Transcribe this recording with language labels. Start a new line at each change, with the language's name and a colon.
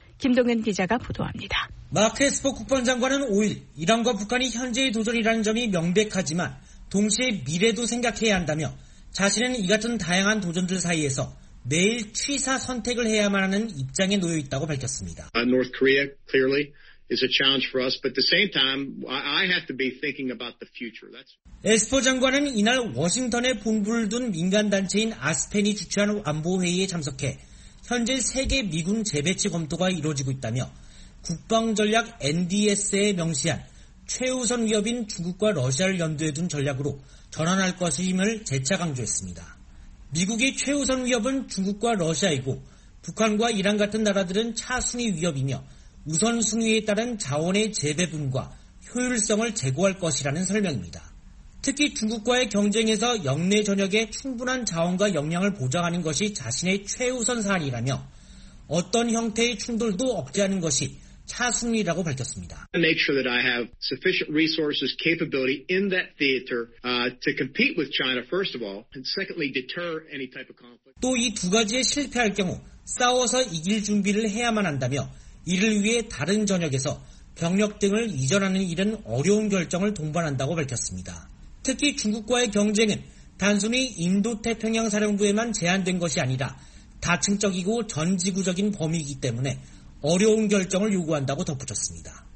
Korean: 김동현 기자가 보도합니다. 마크 에스퍼 국방장관은 5일 이란과 북한이 현재의 도전이라는 점이 명백하지만 동시에 미래도 생각해야 한다며 자신은 이 같은 다양한 도전들 사이에서 매일 취사 선택을 해야만 하는 입장에 놓여 있다고 밝혔습니다.
English: North Korea clearly is a challenge for us, but at the same time, I have to be thinking about the future.
Korean: 에스퍼 장관은 이날 워싱턴에 본부를 둔 민간 단체인 아스펜이 주최한 안보 회의에 참석해 현재 세계 미군 재배치 검토가 이루어지고 있다며 국방 전략 NDS에 명시한 최우선 위협인 중국과 러시아를 연두에 둔 전략으로 전환할 것임을 재차 강조했습니다. 미국의 최우선 위협은 중국과 러시아이고 북한과 이란 같은 나라들은 차순위 위협이며 우선순위에 따른 자원의 재배분과 효율성을 제고할 것이라는 설명입니다. 특히 중국과의 경쟁에서 영내 전역에 충분한 자원과 역량을 보장하는 것이 자신의 최우선 사안이라며 어떤 형태의 충돌도 억제하는 것이 차순이라고 밝혔습니다.
English: Make sure that I have sufficient resources, capability in that theater to compete with China first of all, and secondly deter any type of conflict.
Korean: 또 이 두 가지에 실패할 경우 싸워서 이길 준비를 해야만 한다며 이를 위해 다른 전역에서 병력 등을 이전하는 일은 어려운 결정을 동반한다고 밝혔습니다. 특히 중국과의 경쟁은 단순히 인도태평양 사령부에만 제한된 것이 아니라 다층적이고 전지구적인 범위이기 때문에 어려운 결정을 요구한다고 덧붙였습니다.